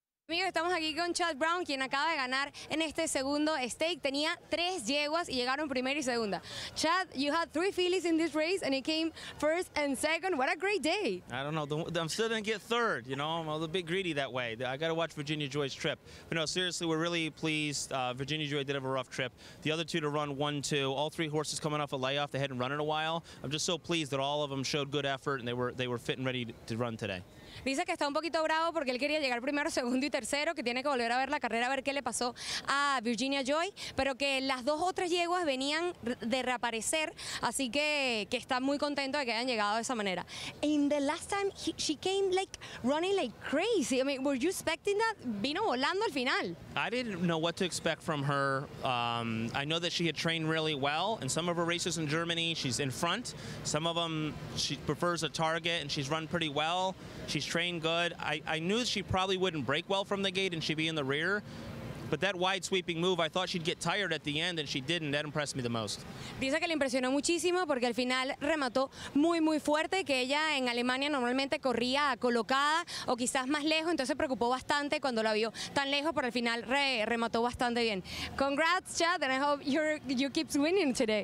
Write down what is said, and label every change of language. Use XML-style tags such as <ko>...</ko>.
<es>Amigos, estamos aquí con Chad Brown, quien acaba de ganar en este segundo stake. Tenía tres yeguas y llegaron primera y segunda.</es> <en>Chad, you had three fillies in this race and it came first and second. What a great day. I don't know. I'm still going to get third. You know, I'm a little bit greedy that way. I got to watch Virginia Joy's trip. But no, seriously, we're really pleased. Virginia Joy did have a rough trip. The other two to run 1-2. All three horses coming off a layoff. They hadn't run in a while. I'm just so pleased that all of them showed good effort and they were fit and ready to run today.</en> <es>Dice que está un poquito bravo porque él quería llegar primero, segundo y tercero, que tiene que volver a ver la carrera, a ver qué le pasó a Virginia Joy, pero que las dos otras yeguas venían de reaparecer, así que está muy contento de que hayan llegado de esa manera.</es> <en>In the last time, she came like running like crazy. I mean, were you expecting that?</en> <es>Vino volando al final.</es> <en>I didn't know what to expect from her. I know that she had trained really well. In some of her races in Germany, she's in front. Some of them, she prefers a target and she's run pretty well. She's trained good. I knew she probably wouldn't break well from the gate and she'd be in the rear. But that wide sweeping move, I thought she'd get tired at the end, and she didn't. That impressed me the most.</en> <es>Dice que le impresionó muchísimo porque al final remató muy, muy fuerte, que ella en Alemania normalmente corría colocada o quizás más lejos, entonces se preocupó bastante cuando la vio tan lejos, pero al final remató bastante bien.</es> <en>Congrats, Chad, and I hope you keep winning today.</en>